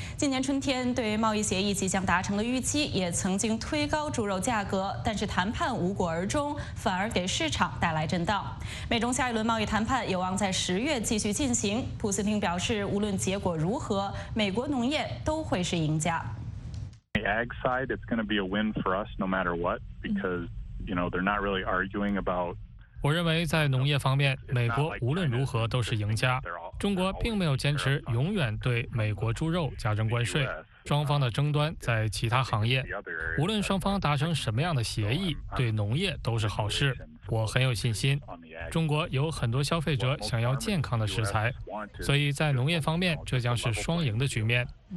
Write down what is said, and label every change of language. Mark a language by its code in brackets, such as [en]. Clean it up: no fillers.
[zh] 今年春天对贸易协议即将达成的预期也曾经推高猪肉价格，但是谈判无果而终，反而给市场带来震荡。美中下一轮贸易谈判有望在10月继续进行。普斯汀表示，无论结果如何，美国农业都会是赢家。 [en] The ag side, it's going to be a win for us no matter what, because you know they're not really arguing about. [zh] 我认为在农业方面，美国无论如何都是赢家。中国并没有坚持永远对美国猪肉加征关税，双方的争端在其他行业，无论双方达成什么样的协议，对农业都是好事。我很有信心，中国有很多消费者想要健康的食材，所以在农业方面这将是双赢的局面。